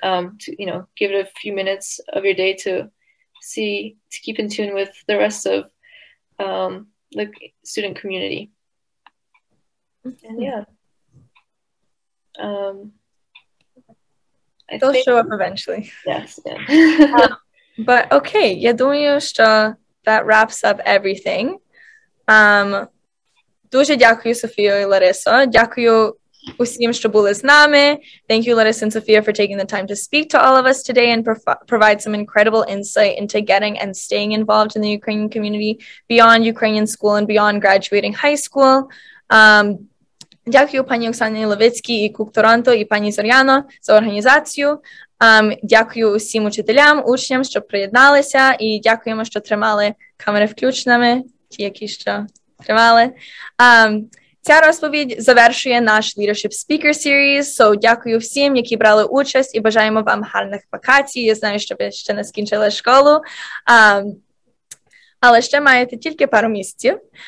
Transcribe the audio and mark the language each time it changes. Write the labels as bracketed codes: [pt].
[en] To, you know, give it a few minutes of your day to see, to keep in tune with the rest of the student community. And yeah, they'll show up eventually. Yes, yeah. but okay, yeah, don't you That wraps up everything. [uk] Дуже дякую, Софію і Ларисо. Дякую усім, що були з нами. [en] Thank you, Larissa and Sophia, for taking the time to speak to all of us today and provide some incredible insight into getting and staying involved in the Ukrainian community beyond Ukrainian school and beyond graduating high school. [uk] Дякую пані Оксані Ловицькій і Кук Торонто і пані Зоряно за організацію. Дякую усім учителям, учням, що приєдналися, і дякуємо, що тримали камери включеними, ті, які що тримали. Ця розповідь завершує наш Leadership Speaker Series, so дякую всім, які брали участь, і бажаємо вам гарних вакацій, я знаю, щоб ви ще не скінчили школу, але ще маєте тільки пару місяців.